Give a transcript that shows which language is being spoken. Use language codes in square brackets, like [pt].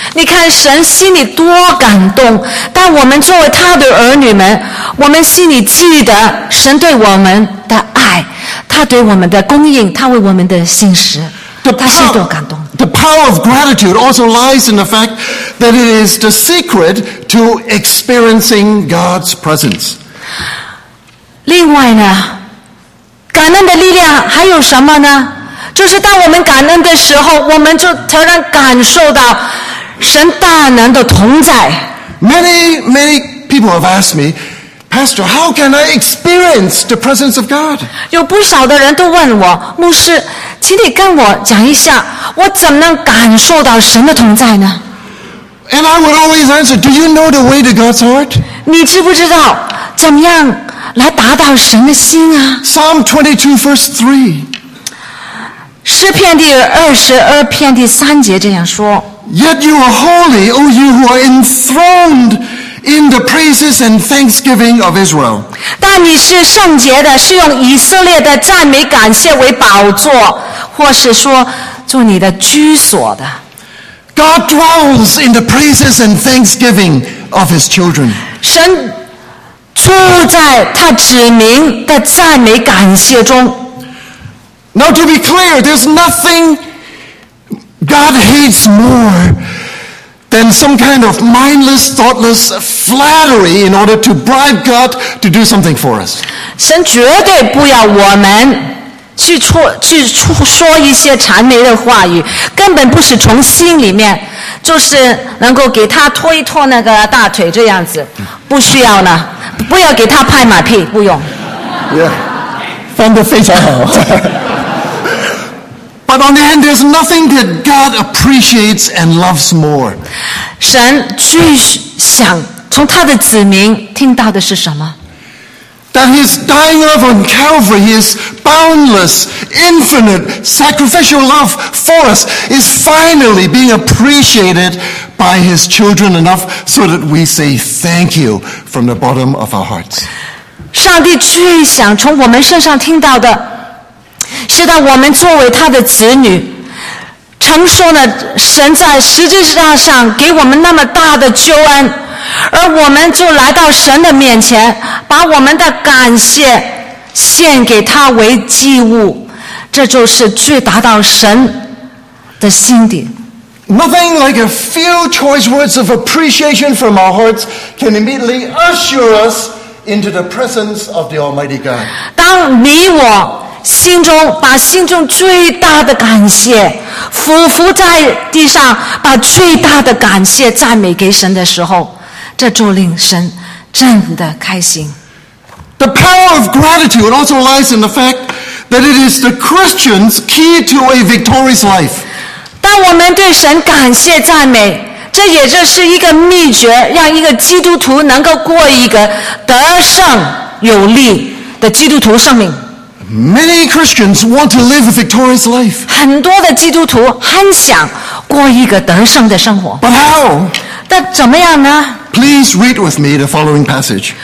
[zh] 你看神心里多感动，但我们作为他的儿女们，我们心里记得神对我们的爱，他对我们的供应，他为我们的信实，他心多感动。 [en] The power of gratitude also lies in the fact that it is the secret to experiencing God's presence. [zh] 另外呢，感恩的力量还有什么呢？就是当我们感恩的时候，我们就突然感受到神大能的同在。 [en] Many people have asked me, Pastor, how can I experience the presence of God? [zh] 有不少的人都问我，牧师。请你跟我讲一下，我怎么能感受到神的同在呢？ [en] And I would always answer, Do you know the way to God's heart? [zh] 你知不知道怎么样来达到神的心啊？ [en] Psalm 22 verse 3. [zh] 诗篇第22篇第3节这样说。 [en] Yet you are holy, O you who are enthroned in the praises and thanksgiving of Israel. [zh] 但你是圣洁的，是用以色列的赞美感谢为宝座。或是说做你的居所的。 [en] God dwells in the praises and thanksgiving of His children. [zh] 神住在他子民的赞美感谢中。 [en] Now to be clear, there's nothing God hates more than some kind of mindless, thoughtless flattery in order to bribe God to do something for us. [zh] 神绝对不要我们去说一些谄媚的话语，根本不是从心里面，就是能够给他拖一拖那个大腿这样子，不需要呢，不要给他拍马屁，不用。 Yeah, 翻得非常好。 [en] But on the end, there's nothing that God appreciates and loves more. [zh] 神最想从他的子民听到的是什么？ [en] That his dying love on Calvary, his boundless, infinite, sacrificial love for us is finally being appreciated by his children enough so that we say thank you from the bottom of our hearts. [zh] 上帝最想从我们身上听到的是当我们作为他的子女承受了神在十字架上给我们那么大的救恩而我们就来到神的面前把我们的感谢献给他为祭物这就是最达到神的心底 [en] Nothing like a few choice words of appreciation from our hearts can immediately usher us into the presence of the Almighty God [zh] 当你我心中把心中最大的感谢俯伏在地上把最大的感谢赞美给神的时候这就令神真的开心。 [en] The power of gratitude also lies in the fact that it is the Christian's key to a victorious life. [zh] 当我们对神感谢赞美，这也就是一个秘诀，让一个基督徒能够过一个得胜有力的基督徒生命。 [en] Many Christians want to live a victorious life. [zh] 很多的基督徒很想过一个得胜的生活。 [en] But how? [zh] 但怎么样呢？ [en] Please read with me the following passage.